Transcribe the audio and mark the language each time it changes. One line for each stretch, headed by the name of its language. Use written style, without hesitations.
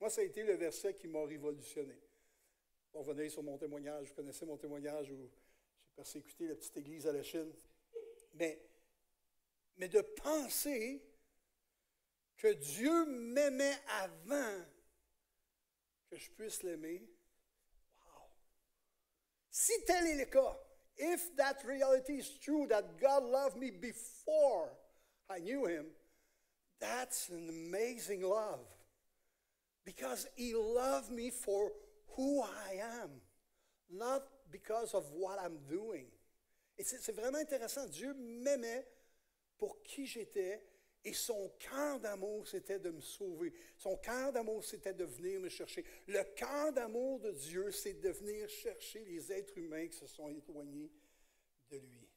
French: Moi, ça a été le verset qui m'a révolutionné. Vous revenez sur mon témoignage, vous connaissez mon témoignage où persécuter la petite église à la Chine. Mais de penser que Dieu m'aimait avant que je puisse l'aimer, wow! Si tel est le cas,
English: if that reality is true, that God loved me before I knew him, that's an amazing love. Because he loved me for who I am, not because of what I'm doing.
French: Et c'est vraiment intéressant. Dieu m'aimait pour qui j'étais et son cœur d'amour, c'était de me sauver. Son cœur d'amour, c'était de venir me chercher. Le cœur d'amour de Dieu, c'est de venir chercher les êtres humains qui se sont éloignés de lui.